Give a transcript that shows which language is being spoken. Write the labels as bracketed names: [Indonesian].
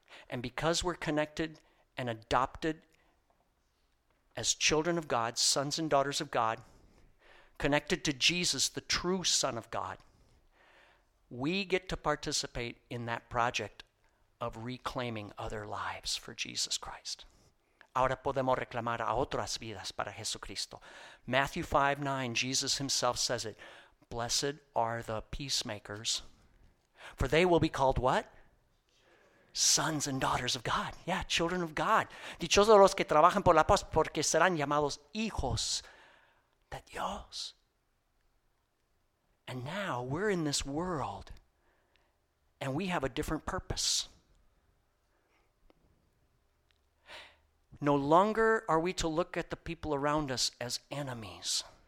[English] And because we're connected and adopted as children of God, sons and daughters of God, connected to Jesus, the true Son of God, we get to participate in that project of reclaiming other lives for Jesus Christ. [Spanish] Ahora podemos reclamar a otras vidas para Jesucristo. [English] Matthew 5:9, Jesus himself says it, blessed are the peacemakers, for they will be called what? Sons and daughters of God. Yeah, children of God. [Spanish] Dichosos los que trabajan por la paz, porque serán llamados hijos de Dios. [English] And now we're in this world and we have a different purpose. No longer are we to look at the people around us as enemies.